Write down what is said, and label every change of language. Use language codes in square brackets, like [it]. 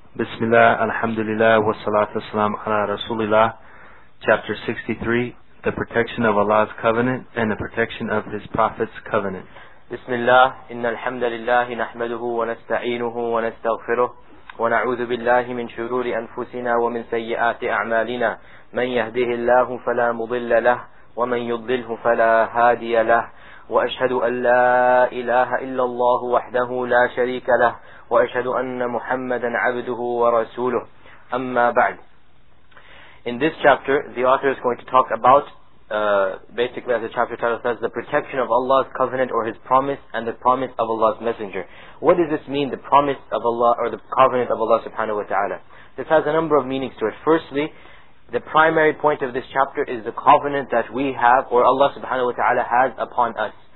[ar] بسم الله الحمد لله والصلاة والسلام على رسول الله [en] Chapter 63 The Protection of Allah's Covenant and the Protection of His Prophet's Covenant [ar] بسم الله إن الحمد لله نحمده ونستعينه ونستغفره ونعوذ بالله من شرور أنفسنا ومن سيئات أعمالنا من يهده الله فلا مضل له ومن يضله فلا هادي له وأشهد أن لا إله إلا الله وحده لا شريك له وأشهد أن محمدا عبده ورسوله أما بعد. [en] In this chapter, the author is going to talk about, basically, as the chapter title says, the protection of Allah's covenant or His promise and the promise of Allah's messenger. What does this mean, the promise of Allah or the covenant of Allah subhanahu wa ta'ala? This has a number of meanings to it. Firstly, the primary point of this chapter is the covenant that we have or Allah subhanahu wa ta'ala has upon us.